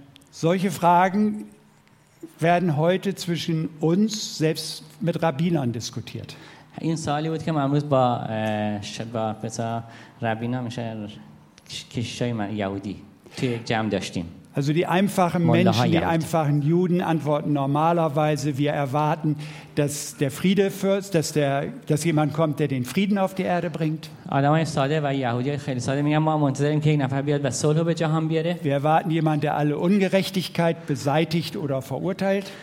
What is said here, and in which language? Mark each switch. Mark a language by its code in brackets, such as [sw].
[de] Solche Fragen werden heute zwischen uns selbst mit Rabbinern diskutiert. [fa] این سوالی بود که من امروز با پسر ربینا میشه کشیشای یهودی توی یک جمع داشتیم. [de] Also die einfachen Menschen, die einfachen Juden antworten normalerweise, wir erwarten, dass der Friedefürst, dass jemand kommt, der den Frieden auf die Erde bringt. Wir erwarten jemanden, der alle Ungerechtigkeit beseitigt oder verurteilt.